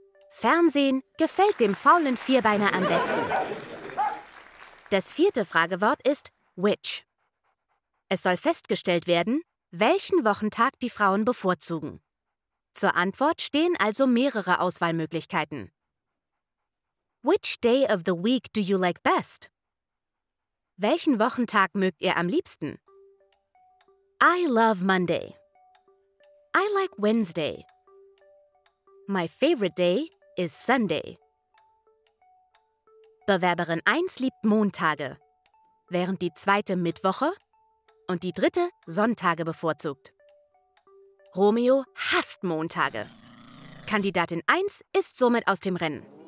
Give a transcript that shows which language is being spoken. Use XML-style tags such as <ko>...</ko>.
<de>Fernsehen gefällt dem faulen Vierbeiner am besten. Das vierte Fragewort ist which. Es soll festgestellt werden, welchen Wochentag die Frauen bevorzugen. Zur Antwort stehen also mehrere Auswahlmöglichkeiten.</de> <en>Which day of the week do you like best?</en> <de>Welchen Wochentag mögt ihr am liebsten?</de> <en>I love Monday. I like Wednesday. My favorite day is Sunday.</en> <de>Bewerberin 1 liebt Montage, während die zweite Mittwoche und die dritte Sonntage bevorzugt. Romeo hasst Montage. Kandidatin 1 ist somit aus dem Rennen.</de>